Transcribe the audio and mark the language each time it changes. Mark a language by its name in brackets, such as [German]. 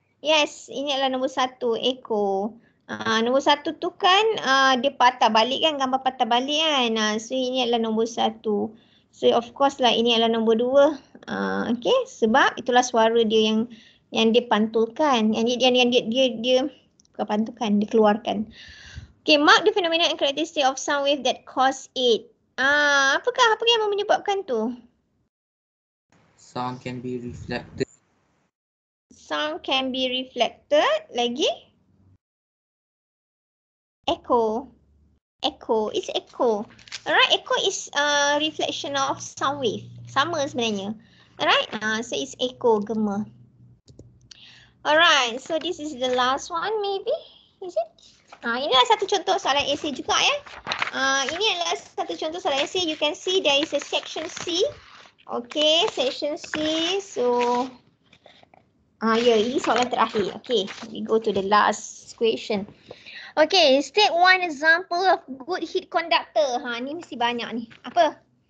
[Malay] Yes, ini adalah nombor satu, echo. Nombor satu tu kan dia patah balik kan, gambar patah balik kan. So, ini adalah nombor satu. So, of course lah, ini adalah nombor dua. Okay, sebab itulah suara dia yang dia pantulkan, dia keluarkan. [English] Okay, mark the phenomena and characteristic of sound wave that cause it. [Malay] Apakah, apa yang menyebabkan tu? [English] Sound can be reflected. Sound can be reflected, [Malay] lagi? [English] Echo. Echo, it's echo. Alright, echo is a reflection of sound wave. [Malay] Sama sebenarnya. [English] Alright, so it's echo, [Malay] gema. [English] Alright, so this is the last one maybe, is it? [Malay] Ini adalah satu contoh soalan AC juga ya. Ini adalah satu contoh soalan AC. [English] You can see there is a section C. Okay, section C. [Malay] So, ini soalan terakhir. [English] Okay, we go to the last question. Okay, state one example of good heat conductor. [Malay] Ni mesti banyak ni. Apa?